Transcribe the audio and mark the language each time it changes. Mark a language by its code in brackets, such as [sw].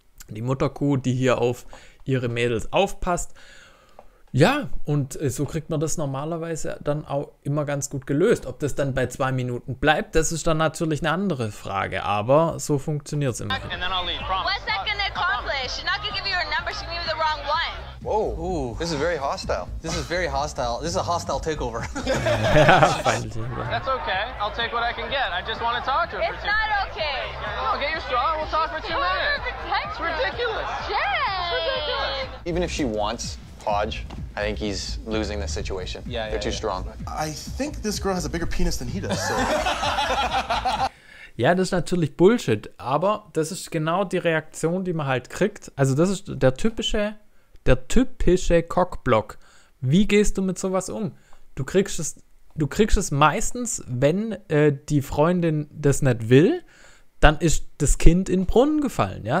[de] die Mutterkuh, die hier auf ihre Mädels aufpasst, ja, und so kriegt man das normalerweise dann auch immer ganz gut gelöst, ob das dann bei 2 Minuten bleibt, das ist dann natürlich eine andere Frage, aber so funktioniert es immer. [en] What's that gonna accomplish? She's not gonna give you her number, she gave you the wrong one. Whoa, ooh. This is very hostile. This is very hostile. This is a hostile takeover. That's okay. I'll take what I can get. I just want to talk to her. It's not okay. I'll get your straw. We'll talk for 2 minutes. It's ridiculous. Jay. Even if she wants Hodge, I think he's losing the situation. Yeah, they're too strong. I think this girl has a bigger penis than he does. So. [de] Ja, das ist natürlich Bullshit, aber das ist genau die Reaktion, die man halt kriegt. Also das ist der typische Cockblock. Wie gehst du mit sowas um? Du kriegst es meistens, wenn die Freundin das nicht will, dann ist das Kind in den Brunnen gefallen. Ja?